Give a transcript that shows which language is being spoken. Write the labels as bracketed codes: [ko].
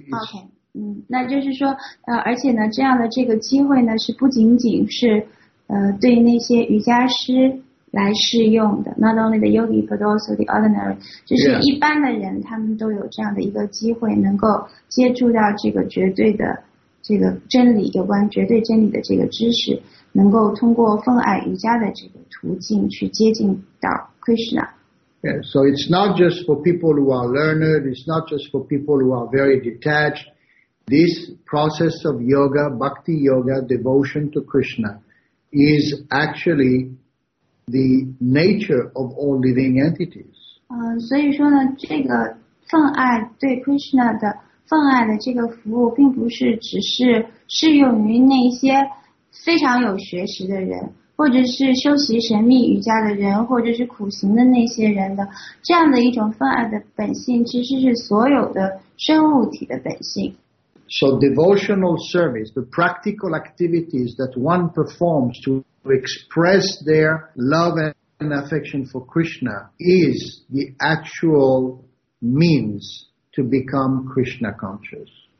[zh] OK， 那就是说而且呢，这样的这个机会呢，是不仅仅是对那些瑜伽师来适用的 ， [en] not only the yogi but also the ordinary， [zh] 就是一般的人， yeah. 他们都有这样的一个机会，能够接触到这个绝对的这个真理，有关绝对真理的这个知识，能够通过奉爱瑜伽的这个途径去接近到 Krishna。 [en] Yeah, so it's not just for people who are learned. It's not just for people who are very detached. This process of yoga, bhakti yoga, devotion to Krishna, is actually the nature of all living entities. [zh] 所以说呢，这个奉爱对 Krishna 的奉爱的这个服务，并不是只是适用于那些非常有学识的人。或者是修习神秘瑜伽的人，或者是苦行的那些人的这样的一种奉爱的本性，其实是所有的生物体的本性。 [en] So devotional service, the practical activities that one performs to express their love and affection for Krishna, is the actual means to become Krishna conscious.